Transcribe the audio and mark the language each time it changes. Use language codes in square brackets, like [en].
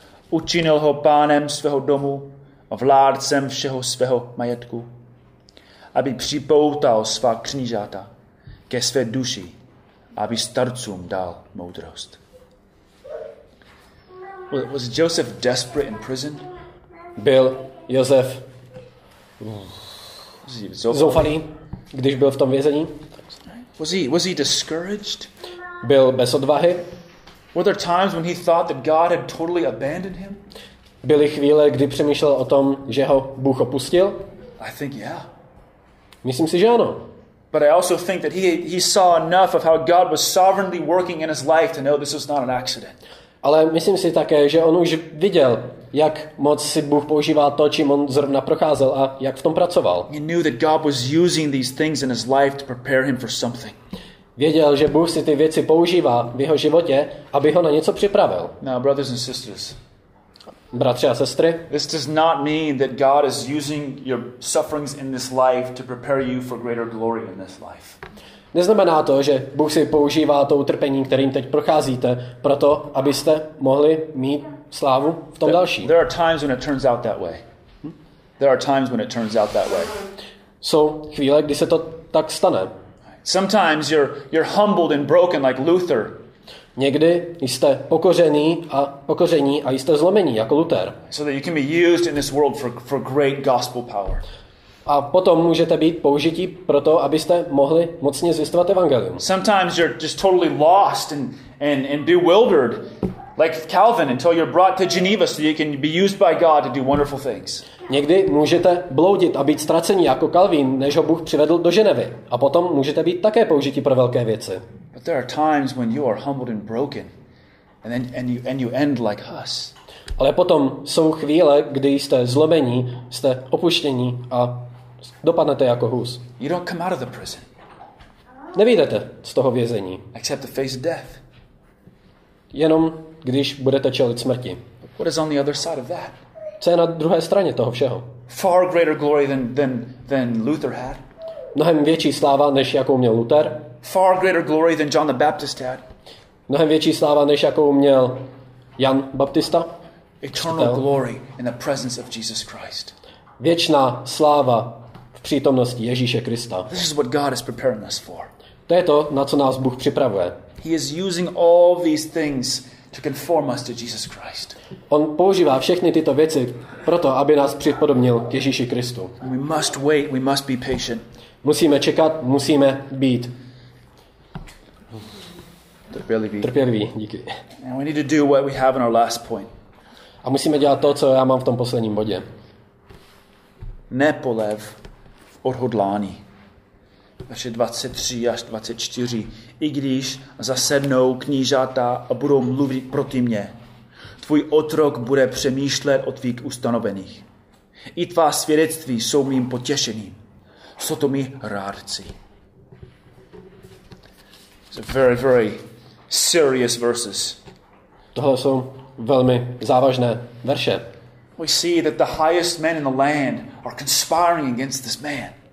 [cs] Učinil ho pánem svého domu a vládcem všeho svého majetku, aby připoutal svá knížata ke své duši, aby starcům dal moudrost. [en] Was Joseph desperate in prison? [cs] Byl Josef zoufalý, když byl v tom vězení? [en] Was he discouraged? [cs] Byl bez odvahy? [en] Were there times when he thought that God had totally abandoned him? [cs] Byly chvíle, kdy přemýšlel o tom, že ho Bůh opustil? [en] I think yeah. [cs] Myslím si, že ano. [en] But I also think that he saw enough of how God was sovereignly working in his life to know this was not an accident. [cs] Ale myslím si také, že on už viděl, jak moc si Bůh používá to, čím on zrovna procházel a jak v tom pracoval. [en] He knew that God was using these things in his life to prepare him for something. [cs] Věděl, že Bůh si ty věci používá v jeho životě, aby ho na něco připravil. [en] Now, brothers and sisters. [cs] Bratři a sestry. [en] This does not mean that God is using your sufferings in this life to prepare you for greater glory in this life. [cs] Neznamená to, že Bůh si používá to utrpení, kterým teď procházíte, proto, abyste mohli mít slávu v tom další. [en] There are times when it turns out that way. There are times when it turns out that way. [cs] Jsou chvíle, kdy se to tak stane. [en] Sometimes you're humbled and broken like Luther. [cs] Někdy jste pokoření a jste zlomení jako Luther. [en] So that you can be used in this world for great gospel power. [cs] A potom můžete být použití pro to, abyste mohli mocně zvěstovat evangelium. [en] Sometimes you're just totally lost and bewildered like Calvin until you're brought to Geneva so you can be used by God to do wonderful things. [cs] Někdy můžete bloudit a být ztracení jako Calvin, než ho Bůh přivedl do Ženevy. A potom můžete být také použití pro velké věci. [en] But there are times when you are humbled and broken and you end like us. [cs] Ale potom jsou chvíle, kdy jste zlomení, jste opuštění a dopadnete jako hůz. [en] You don't come out of the prison. [cs] Nevyjdete z toho vězení. [en] Except to face death. [cs] Jenom když budete čelit smrti. [en] What is on the other side of that? [cs] Co je na druhé straně toho všeho? [en] Far greater glory than Luther had. [cs] Mnohem větší sláva, než jakou měl Luther. [en] Far greater glory than John the Baptist had. [cs] Mnohem větší sláva, než jakou měl Jan Baptista. [en] Eternal glory in the presence of Jesus Christ. [cs] Věčná sláva v přítomnosti Ježíše Krista. [en] This is what God is preparing us for. [cs] To je to, na co nás Bůh připravuje. [en] He is using all these things to conform us to Jesus Christ. [cs] On používá všechny tyto věci proto, aby nás připodobnil k Ježíši Kristu. [en] We must wait, we must be patient. [cs] Musíme čekat, musíme být trpěliví. Díky. [en] And we need to do what we have in our last point. [cs] A musíme dělat to, co já mám v tom posledním bodě. Nepolev v odhodlání. Verše 23 až 24. I když zasednou knížata a budou mluvit proti mně, tvůj otrok bude přemýšlet o tvých ustanovených. I tvá svědectví jsou mým potěšením. Jsou to mi rádci. [en] It's a very, very serious verses. [cs] Tohle jsou velmi závažné verše. [en] We see that the highest men in the land are conspiring against this man.